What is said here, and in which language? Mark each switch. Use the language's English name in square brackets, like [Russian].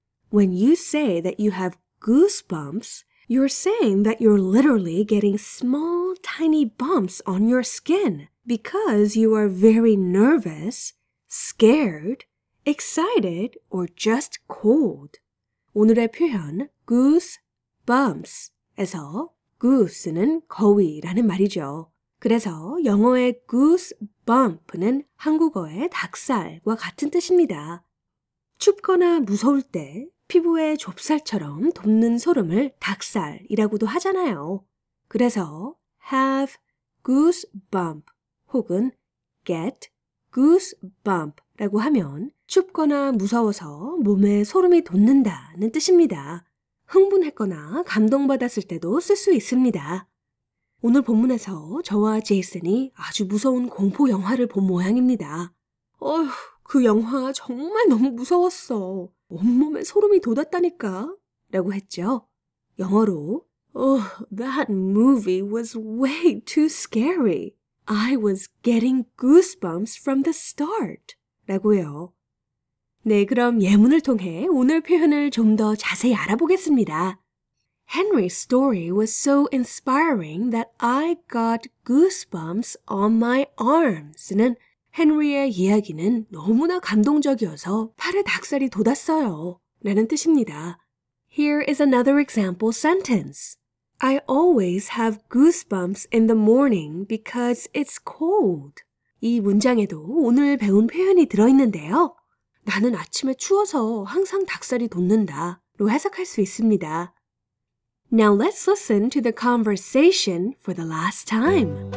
[English] When you say that you have goosebumps, you're saying that you're literally getting small, tiny bumps on your skin because you are very nervous, scared, excited, or just cold. [Korean] 오늘의 표현, goose. Bumps에서 goose는 거위라는 말이죠. 그래서 영어의 goosebump는 한국어의 닭살과 같은 뜻입니다. 춥거나 무서울 때 피부에 좁쌀처럼 돋는 소름을 닭살이라고도 하잖아요. 그래서 have goosebump 혹은 get goosebump라고 하면 춥거나 무서워서 몸에 소름이 돋는다는 뜻입니다. 흥분했거나 감동받았을 때도 쓸 수 있습니다. 오늘 본문에서 저와 제이슨이 아주 무서운 공포 영화를 본 모양입니다. 그 영화 정말 너무 무서웠어. 온몸에 소름이 돋았다니까. 라고 했죠. 영어로 [English] That movie was way too scary. I was getting goosebumps from the start. [Korean] 라고요. 네, 그럼 예문을 통해 오늘 표현을 좀 더 자세히 알아보겠습니다. [English] Henry's story was so inspiring that I got goosebumps on my arms는 [Korean] 헨리의 이야기는 너무나 감동적이어서 팔에 닭살이 돋았어요. 라는 뜻입니다. [English] Here is another example sentence. I always have goosebumps in the morning because it's cold. [Korean] 이 문장에도 오늘 배운 표현이 들어있는데요. 나는 아침에 추워서 항상 닭살이 돋는다 로 해석할 수 있습니다. [English] Now let's listen to the conversation for the last time.